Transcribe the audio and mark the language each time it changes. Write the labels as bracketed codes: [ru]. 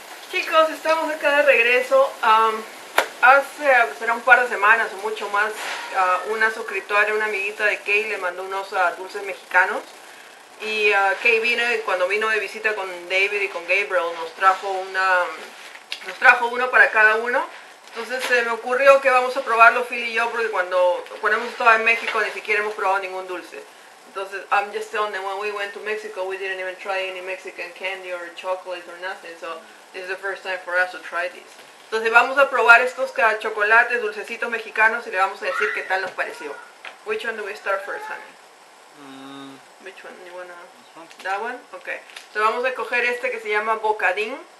[es] Chicos, estamos acá de regreso. Hace, será un par de semanas o mucho más, una suscriptora, una amiguita de Kay, le mandó unos dulces mexicanos. Y Kay vino, y cuando vino de visita con David y con Gabriel, nos trajo uno para cada uno. Entonces se me ocurrió que vamos a probarlo Phil y yo, porque cuando hemos estado en México ni siquiera hemos probado ningún dulce. Entonces, [en] I'm just telling them, when we went to Mexico, we didn't even try any Mexican candy or chocolate or nothing, so this is the first time for us to try this. [es] Entonces vamos a probar estos chocolates, dulcecitos mexicanos, y le vamos a decir qué tal nos pareció. [en] Which one do we start first, honey? Which one? You wanna... That one? Okay. [es] Entonces vamos a coger este que se llama Bocadín.